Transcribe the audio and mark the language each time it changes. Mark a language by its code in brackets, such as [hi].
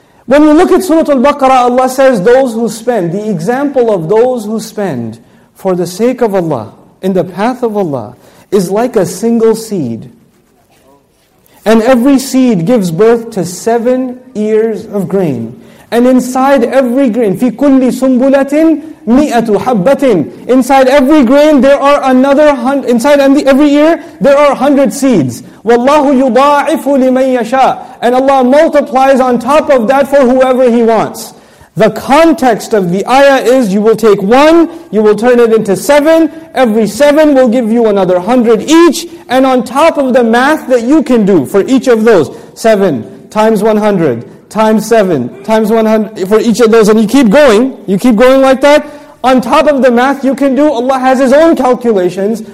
[en] When you look at Surah Al-Baqarah, Allah says those who spend, the example of those who spend for the sake of Allah, in the path of Allah, is like a single seed. And every seed gives birth to seven ears of grain. And inside every grain, [ar] فِي كُلِّ سُنْبُلَةٍ مِئَةُ حَبَّةٍ. [en] Inside every grain, there are another hundred, inside every ear, there are 100 seeds. [ar] وَاللَّهُ يُضَاعِفُ لِمَنْ يَشَاءُ. [en] And Allah multiplies on top of that for whoever He wants. The context of the ayah is, you will take one, you will turn it into seven, every seven will give you another 100 each, and on top of the math that you can do for each of those, seven times 100, times seven, times 100, for each of those, and you keep going like that, on top of the math you can do, Allah has His own calculations.